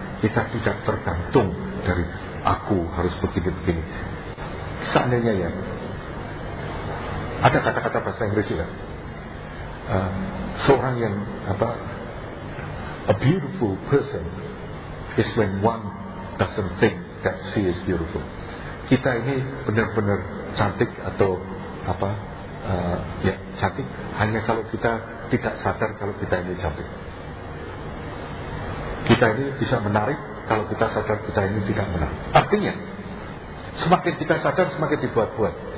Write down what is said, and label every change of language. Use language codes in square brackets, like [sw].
[id] Kita tidak tergantung dari aku harus begini begini. Seandainya ya ada kata-kata bahasa Inggris juga. Seorang yang apa, [en] a beautiful person is when one doesn't think that she is beautiful. [id] Kita ini benar-benar cantik atau apa ya cantik hanya kalau kita tidak sadar kalau kita ini cantik. Kita ini bisa menarik kalau kita sadar kita ini tidak menarik. Artinya semakin kita sadar semakin dibuat-buat.